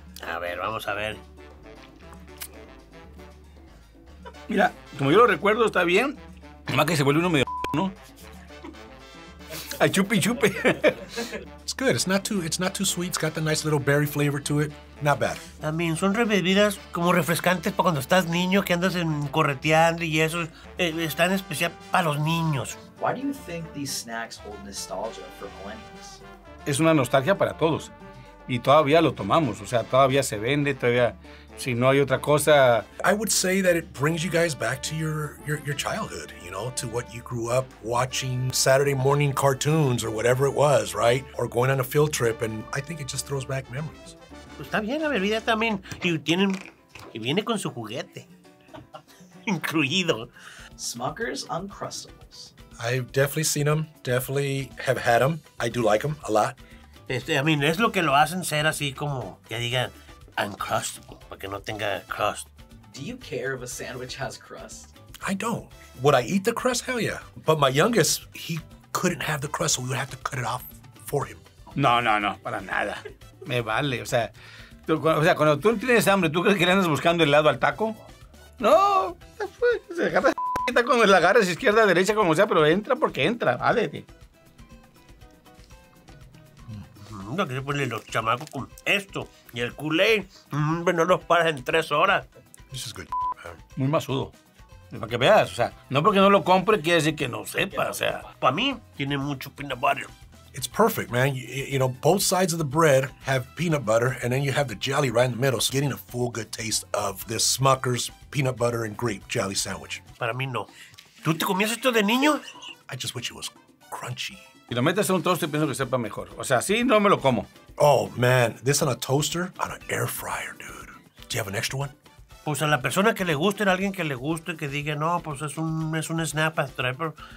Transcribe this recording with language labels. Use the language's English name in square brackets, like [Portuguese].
[Spanish] a ver, vamos a ver. Mira, como yo lo recuerdo, está bien. Más que se vuelve uno medio, ¿no? A chupi chupi. [English] It's good. It's not too sweet. It's got the nice little berry flavor to it. Not bad. [Spanish] También son bebidas como refrescantes para cuando estás niño, que andas en correteando y eso. Están especial para los niños. [English] Why do you think these snacks hold nostalgia for millennials? [Spanish] Es una nostalgia para todos. Y todavía lo tomamos, o sea, todavía se vende, todavía, si no hay otra cosa. [English] I would say that it brings you guys back to your childhood, you know, to what you grew up watching Saturday morning cartoons or whatever it was, right? Or going on a field trip, and I think it just throws back memories. [Spanish] Pues está bien la bebida también, y viene con su juguete, incluido. [English] Smucker's Uncrustables. I've definitely seen them, definitely have had them. I do like them a lot. I mean, [Spanish] es lo que lo hacen ser así como que digan uncrustable, para que no tenga crust. [English] Do you care if a sandwich has crust? I don't. Would I eat the crust? Hell yeah. But my youngest, he couldn't have the crust, so we would have to cut it off for him. [Spanish] No, no, no, para nada. Me vale. O sea, cuando tú tienes hambre, ¿tú crees que le andas buscando el lado al taco? No, se agarra la c*** cuando la agarras izquierda, derecha, como sea, pero entra porque entra, vale. Que se ponen los chamacos con esto y el Kool-Aid, no los paras en 3 horas. [English] This is good, man. [Spanish] Muy masudo. Para que veas, o sea, no porque no lo compre quiere decir que no sepa, o sea, para mí tiene mucho peanut butter. [English] It's perfect, man. You know, both sides of the bread have peanut butter and then you have the jelly right in the middle, so getting a full good taste of this Smucker's peanut butter and grape jelly sandwich. [Spanish] Para mí no. ¿Tú te comías esto de niño? [English] I just wish it was crunchy. [Spanish] Si lo metes en un toaster, pienso que sepa mejor. O sea, sí, no me lo como. [English] Oh, man. This on a toaster? On an air fryer, dude. Do you have an extra one? [Spanish] Pues a la persona que le guste, a alguien que le guste, que diga, no, pues es un snap and trapper.